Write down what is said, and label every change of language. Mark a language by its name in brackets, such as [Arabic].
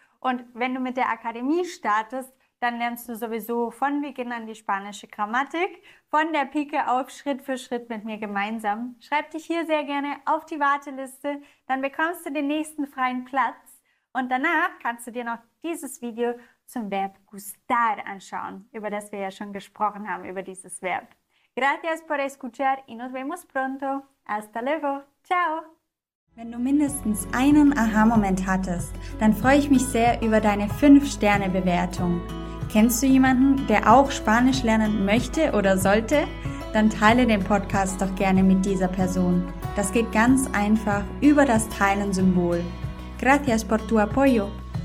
[German] Und wenn du mit der Akademie startest, dann lernst du sowieso von Beginn an die spanische Grammatik, von der Pike auf Schritt für Schritt mit mir gemeinsam. Schreib dich hier sehr gerne auf die Warteliste, dann bekommst du den nächsten freien Platz. Und danach kannst du dir noch dieses Video zum Verb gustar anschauen, über das wir ja schon gesprochen haben, über dieses Verb. [Spanish] Gracias por escuchar y nos vemos pronto. Hasta luego. Ciao. [German] Wenn du mindestens einen Aha-Moment hattest, dann freue ich mich sehr über deine 5-Sterne-Bewertung. Kennst du jemanden, der auch Spanisch lernen möchte oder sollte? Dann teile den Podcast doch gerne mit dieser Person. Das geht ganz einfach über das Teilen-Symbol. [Spanish] Gracias por tu apoyo.